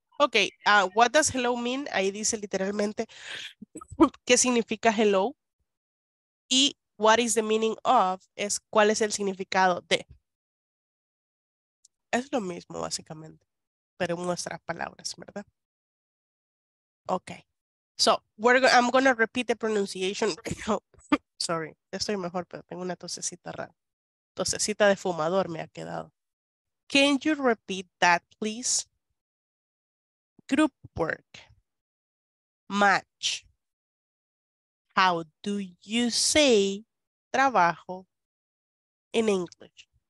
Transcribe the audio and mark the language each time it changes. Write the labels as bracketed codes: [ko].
[en] Ok, what does hello mean? [es] Ahí dice literalmente qué significa hello. Y [en] what is the meaning of [es] es cuál es el significado de. Es lo mismo básicamente, pero en nuestras palabras, ¿verdad? [en] Ok, so I'm going to repeat the pronunciation. Sorry, [es] estoy mejor, pero tengo una tosecita rara. Tosecita de fumador me ha quedado. [en] Can you repeat that, please? Group work, match, how do you say trabajo in English?